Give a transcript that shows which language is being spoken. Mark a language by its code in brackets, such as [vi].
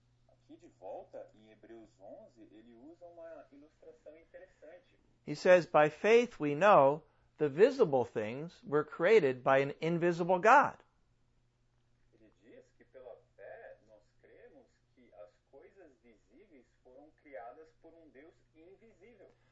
[pt] Aqui de volta, em Hebreus 11, ele usa uma ilustração interessante. [en] He says, by faith we know the visible things were created by an invisible God. [pt] Ele diz que pela fé nós cremos que as coisas visíveis foram criadas por Deus invisível.